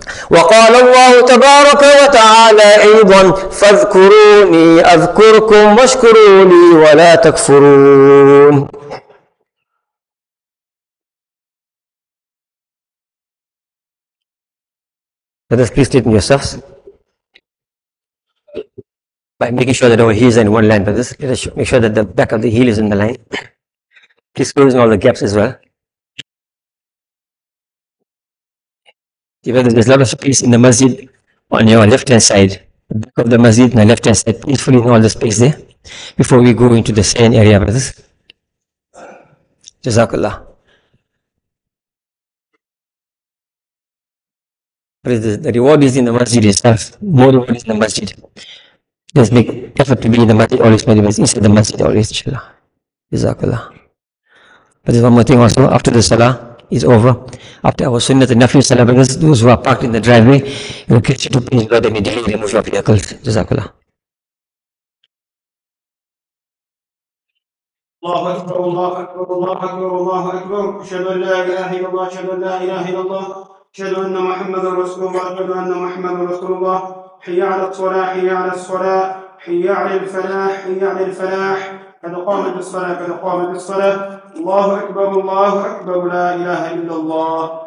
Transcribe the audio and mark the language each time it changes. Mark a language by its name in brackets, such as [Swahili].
[Arabic] وقال الله تبارك وتعالى أيضا فاذكروني أذكركم واشكروا لي ولا تكفرون [English] Let us please straighten yourselves by making sure that our heels are in one line. Brothers, let us make sure that the back of the heel is in the line. Please close in all the gaps as well. There's a lot of space in the masjid on your left hand side. The back of the masjid on the left hand side. Please fill in all the space there before we go into the second area, brothers. Jazakallah. But the reward is in the masjid itself. More reward is in the masjid. Just make effort to be in the masjid always, many ways. Inside the masjid always, inshallah. Jazakallah. But there's one more thing also. After the salah is over, after our sunnah, the nafil salah, because those who are parked in the driveway, you will catch you to please God and immediately remove your vehicles. Jazakallah. [Arabic] الله أكبر الله أكبر الله أكبر الله أكبر أشهد أن لا إله إلا الله أشهد أن لا إله إلا الله أشهد أن محمد رسول الله أشهد أن محمد رسول الله حي على الصلاة حي على الصلاة حي على الفلاح حي على الفلاح قد قامت الصلاة قد قامت الصلاة الله أكبر الله أكبر لا إله إلا الله